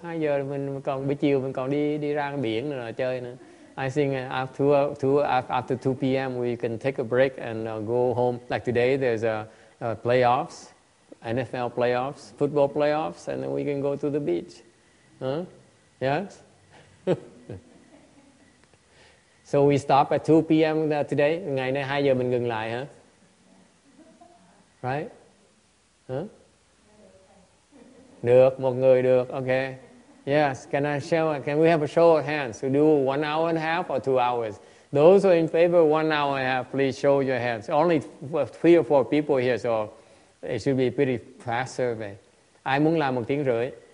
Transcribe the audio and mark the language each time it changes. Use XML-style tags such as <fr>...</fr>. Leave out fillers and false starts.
<vi>2 giờ mình còn buổi chiều mình còn đi ra biển nữa, chơi nữa.</vi> <en>I think after 2 p.m. we can take a break and go home. Like today there's a playoffs, NFL playoffs, football playoffs, and then we can go to the beach. Yes? So we stop at 2 p.m. today.</en> <vi>Ngày nay 2 giờ mình ngừng lại, huh?</vi> <en>Right?</en> <vi>Được, một người được, okay.</vi> <en>Yes, can I show? Can we have a show of hands? So do 1 hour and a half or 2 hours? Those who are in favor of 1 hour and a half, please show your hands. Only 3 or 4 people here, so it should be a pretty fast survey.</en> <vi>Ai muốn làm 1 tiếng rưỡi?</vi>